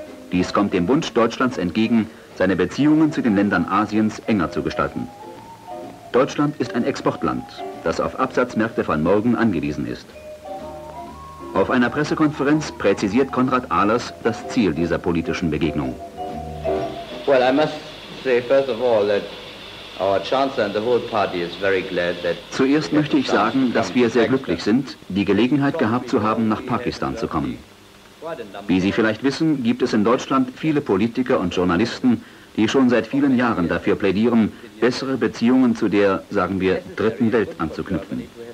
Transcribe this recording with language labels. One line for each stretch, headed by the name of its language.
German: Dies kommt dem Wunsch Deutschlands entgegen, seine Beziehungen zu den Ländern Asiens enger zu gestalten. Deutschland ist ein Exportland, das auf Absatzmärkte von morgen angewiesen ist. Auf einer Pressekonferenz präzisiert Konrad Ahlers das Ziel dieser politischen Begegnung.
English: Well, I must say first of all that our Chancellor and the whole party is very glad that.
German: Zuerst möchte ich sagen, dass wir sehr glücklich sind, die Gelegenheit gehabt zu haben, nach Pakistan zu kommen. Wie Sie vielleicht wissen, gibt es in Deutschland viele Politiker und Journalisten, die schon seit vielen Jahren dafür plädieren, bessere Beziehungen zu der, sagen wir, dritten Welt anzuknüpfen.